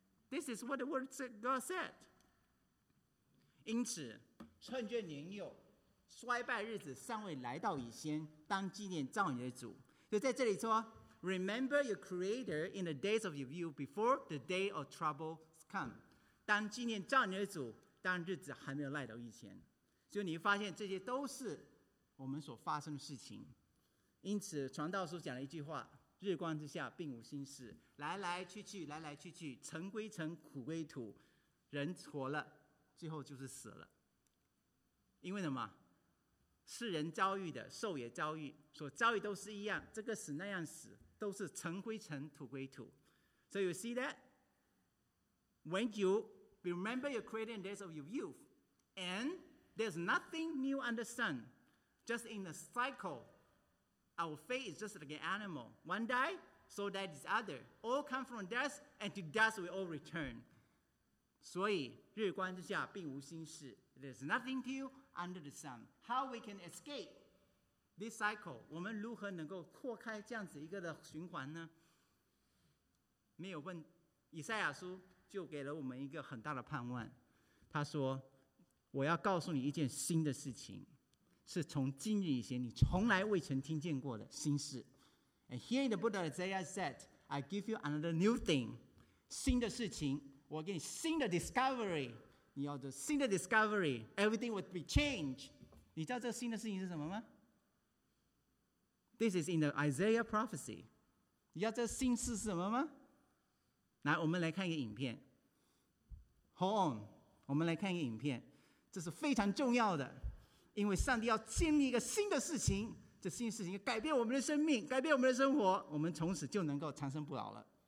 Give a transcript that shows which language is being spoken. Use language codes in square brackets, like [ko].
[en] This is what the word of God said. [zh] 因此，趁着年幼，衰败日子尚未来到以先，当纪念造你的主。就在这里说， [en] Remember your creator in the days of your youth before the day of trouble come. [zh] 当纪念造你的主，当日子还没有来到以前。所以你会发现这些都是我们所发生的事情。因此传道书讲了一句话，日光之下并无新事，来来去去，来来去去，尘归尘，土归土，人活了最后就是死了。因为什么？世人遭遇的，兽也遭遇，所遭遇都是一样，这个死那样死，都是尘归尘，土归土。 [en] So you see that when you remember your creator in days of your youth, and there's nothing new under the sun, just in the cycle, our fate is just like an animal. One die, so that is other. All come from dust, and to dust we all return. [zh] 所以日光之下并无新事， [en] there's nothing to you under the sun. How we can escape this cycle? [zh] 我们如何能够扩开这样子一个的循环呢？没有问，以赛亚书就给了我们一个很大的盼望。他说，我要告诉你一件新的事情，是从今日以前你从来未曾听见过的新事。 [en] And here in the book of Isaiah said, I give you another new thing, [zh] 新的事情，我给你新的 [en] discovery, [zh] 你要的新的 [en] discovery, everything would be changed. [zh] 你知道这新的事情是什么吗？ [en] This is in the Isaiah prophecy. [zh] 你知道这新事是什么吗？来，我们来看一个影片。 [en] Hold on, [zh] 我们来看一个影片，这是非常重要的，因为上帝要建立一个新的事情，这新的事情改变我们的生命，改变我们的生活，我们从此就能够长生不老了。